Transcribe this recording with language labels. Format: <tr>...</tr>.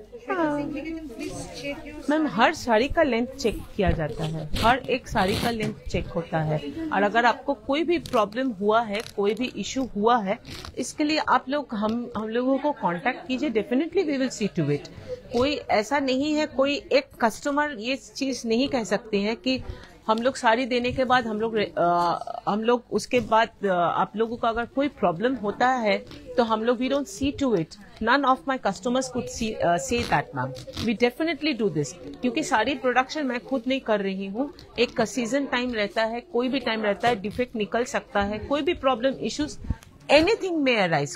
<hi>Ma'am हर साड़ी का length check किया जाता है, हर एक साड़ी का लेंथ चेक होता है, और अगर आपको कोई भी प्रॉब्लम हुआ है, कोई भी इशू हुआ है, इसके लिए आप लोग हम लोगों को कांटेक्ट कीजिए,</hi> <en>Definitely we will see to it.</en> <hi>कोई ऐसा नहीं है, कोई एक कस्टमर ये चीज नहीं कह सकते हैं कि हम लोग साड़ी देने के बाद हम लोग उसके बाद आप लोगों का अगर कोई प्रॉब्लम होता है तो हम लोग</hi> <en>We don't see to it. None of my customers could say that, ma'am. We definitely do this.</en> <hi>क्योंकि सारी production मैं खुद नहीं कर रही हूँ, एक season time रहता है, कोई भी time रहता है, defect निकल सकता है, कोई भी problem</hi> <en>issues anything may arise.</en>